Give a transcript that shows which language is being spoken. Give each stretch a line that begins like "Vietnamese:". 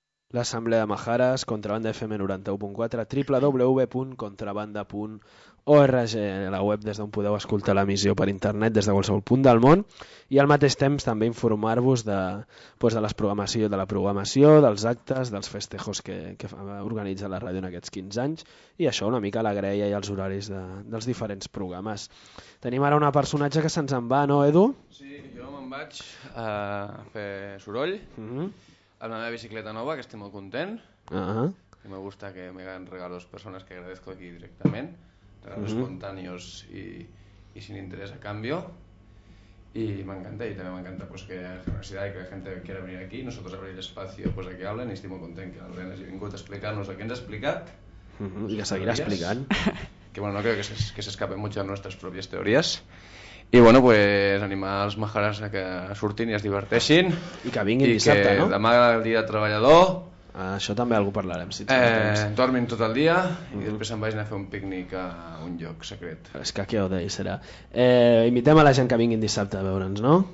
Catalan: La Asamblea de Majares, Contrabanda FM 91.4, www.contrabanda.org, la web des d'on podeu escoltar l'emissió per internet des de qualsevol punt del món, i al mateix temps també informar-vos de la programació, dels actes, dels festejos que organitza la ràdio en aquests 15 anys, i això una mica la greia i els horaris dels diferents programes. Tenim ara un personatge que se'ns en va, no, Edu? Sí, jo me'n vaig a fer soroll. Mhm. Amb la meva bicicleta nova, que estic molt content. Uh-huh.
Spanish: I me gusta que me hagan regalos persones que agradezco aquí directament. Regalos uh-huh. espontáneos y sin interés a cambio. Y me encanta, y también me encanta pues, que la generosidad y que la gente quiera venir aquí. Nosotros abrir el espacio pues, a que hablen,
Catalan: y estic molt content que l'Albert hagi vingut a explicar-nos el que ens ha explicat. Uh-huh. I que seguirà explicant.
Spanish: Que bueno, no creo que s'escape mucho a nuestras propias teorías.
Catalan: I bueno, pues animar els majares a que surtin i es diverteixin. I que vinguin dissabte, no? I que demà el dia de treballador... Això també algú parlarem, si tens temps. Dormin tot el dia i després em vaig anar a fer un pícnic a un lloc secret. És que què ho deia, serà. Invitem a la gent que vinguin dissabte a veure'ns, no?